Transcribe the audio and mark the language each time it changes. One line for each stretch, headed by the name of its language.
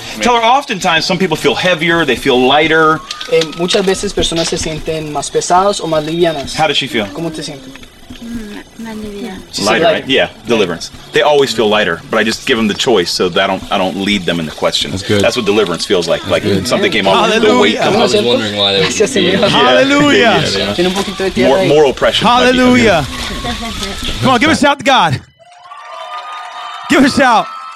English: Tell her oftentimes some people feel heavier, they feel lighter.
Spanish: Muchas veces personas se sienten más pesados o más livianas.
English: How does she feel?
Spanish: ¿Cómo te sientes?
English: Lighter, right? Yeah, deliverance. They always feel lighter, but I just give them the choice so that I don't lead them in the question. That's good. That's what deliverance feels like. That's like good. Something came off. Hallelujah. I was wondering why they were. Hallelujah. Moral pressure. Hallelujah. Come on, give a shout to God. Give a shout.